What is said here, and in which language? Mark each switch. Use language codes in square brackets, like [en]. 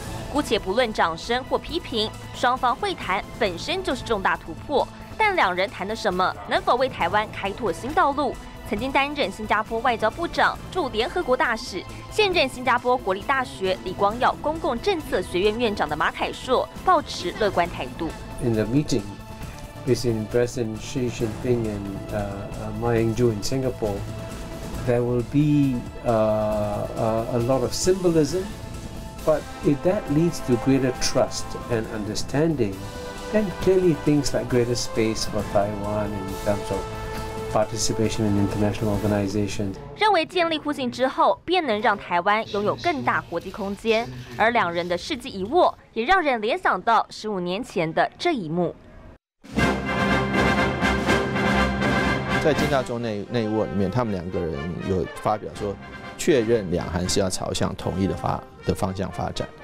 [zh] 姑且不论掌声或批评，双方会谈本身就是重大突破，但两人谈的什么，能否为台湾开拓新道路？曾经担任新加坡外交部长、驻联合国大使、现任新加坡国立大学李光耀公共政策学院院长的马凯硕抱持乐观态度。 [en] In the meeting, between President Xi Jinping and Ma Ying-jeou in Singapore, there will be a lot of symbolism. But if that leads to greater trust and understanding, then clearly things like greater space for Taiwan in terms of participation in international organizations. [zh] 认为建立互信之后，便能让台湾拥有更大国际空间。而两人的世纪一握，也让人联想到十五年前的这一幕。在金大中那一握里面，他们两个人有发表说，确认两韩是要朝向统一的方向发展。